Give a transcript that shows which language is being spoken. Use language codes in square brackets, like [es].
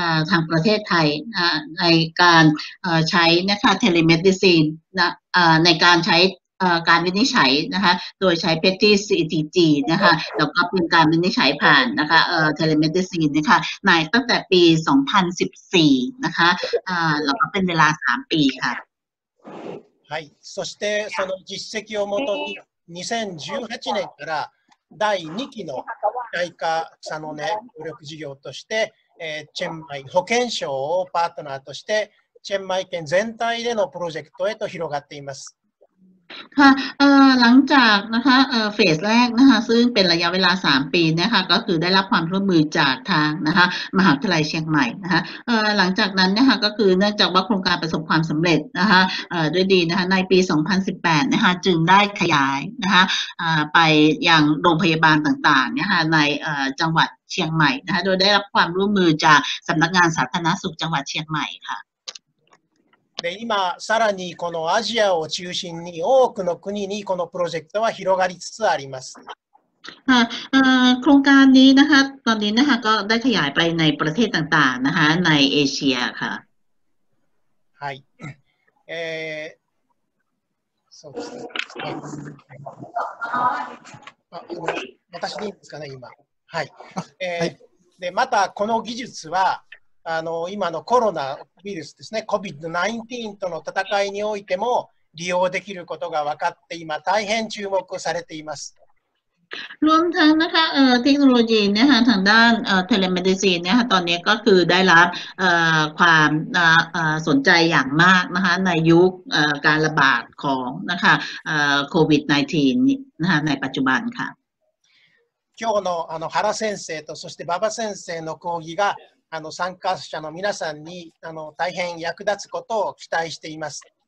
[th] ทางประเทศไทยในการใช้นะคะเทเลเมดิซีนนะในการใช้การวินิจฉัยนะคะโดยใช้ PET CTG นะคะแล้วก็เป็นการวินิจฉัยผ่านนะคะTelemedicine นะคะในตั้งแต่ปี2014นะคะแล้วก็เป็นเวลา3ปีค่ะ [ja] はいそしてその実績をもとに2018年から第2期の外科草の根協力事業としてチェンマイ保健省をパートナーとしてチェンマイ県全体でのプロジェクトへと広がっています [th] ค่ะหลังจากนะคะเฟสแรกนะคะซึ่งเป็นระยะเวลา3ปีนะคะก็คือได้รับความร่วมมือจากทางนะคะมหาวิทยาลัยเชียงใหม่นะคะหลังจากนั้นนะคะก็คือเนื่องจากว่าโครงการประสบความสำเร็จนะคะด้วยดีนะคะในปี2018นะคะจึงได้ขยายนะคะไปยังโรงพยาบาลต่างๆนะคะในจังหวัดเชียงใหม่นะคะโดยได้รับความร่วมมือจากสำนักงานสาธารณสุขจังหวัดเชียงใหม่ค่ะ [ja] で今さらにこのアジアを中心に多くの国にこのプロジェクトは広がりつつあります。 [th] โครงการนี้นะคะตอนนี้นะคะก็ได้ขยายไปในประเทศต่างๆนะคะในเอเชียค่ะ [ja] はいそうですね私でいいですかね今はいでまたこの技術は今のコロナウイルスですね、COVID-19 との戦いにおいても利用できることが分かって今大変注目されています。 [th] รวมทั้งนะคะเทคโนโลยีนะคะทางด้านเทเลเมดิซีนนะคะตอนนี้ก็คือได้รับความสนใจอย่างมากนะคะในยุคการระบาดของนะคะCOVID-19 นะคะในปัจจุบันค่ะ。 [ja] 今日のあの原先生とそして馬場先生の講義が参加者の皆さんに大変役立つことを期待しています。